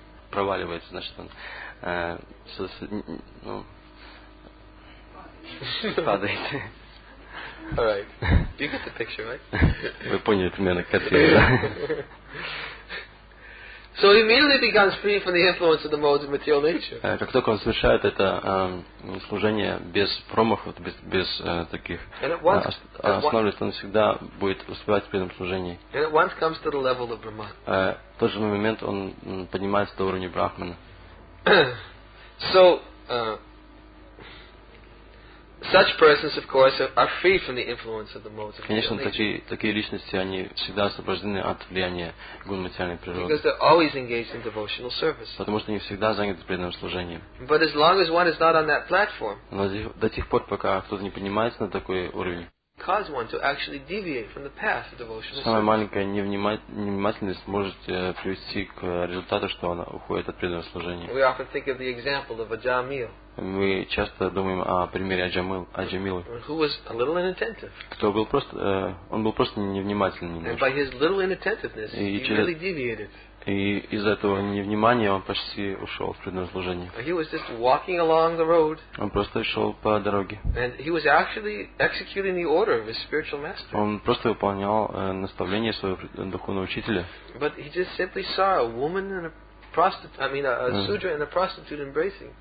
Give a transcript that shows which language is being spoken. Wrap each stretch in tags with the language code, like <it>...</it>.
<ru>Проваливается, значит, он падает.</ru> <en>All right. You get the picture, right?</en> <ru>Вы поняли примерно картину, да?</ru> <en>So he immediately becomes free from the influence of the modes of material nature.</en> <ru>Как только он совершает это служение без промахов, без таких, останавливается, он всегда будет успевать в этом служении.</ru> <en>And at once comes to the level of Brahman.</en> <ru>В тот же момент он поднимается до уровня Брахмана.</ru> <en>So such persons, of course, are free from the influence of the modes of nature.</en> <ru>Конечно, такие личности, они всегда освобождены от влияния гун материальной природы.</ru> <en>Because they're always engaged in devotional service.</en> <ru>Потому что они всегда заняты преданным служением.</ru> <en>But as long as one is not on that platform.</en> <ru>Но до тех пор, пока кто-то не поднимается на такой уровень.</ru> <en>Cause one to actually deviate from the path of devotional service.</en> <ru>Самая маленькая невнимательность может привести к результату, что она уходит от преданного служения.</ru> <en>We often think of the example of Ajamil.</en> <ru>Мы часто думаем о примере Аджамилы.</ru> <en>Who was a little inattentive.</en> <ru>Кто был просто, он был просто невнимательным.</ru> <en>And by his little inattentiveness, he really deviated.</en> <ru>И из-за этого невнимания он почти ушел в предназложение.</ru> <en>He was just walking along the road.</en> <ru>Он просто шел по дороге.</ru> <en>And he was actually executing the order of his spiritual master.</en> <ru>Он просто выполнял наставление своего духовного учителя.</ru> <en>But he just simply saw a woman and a prostitute, I mean, a sudra and a prostitute embracing.</en>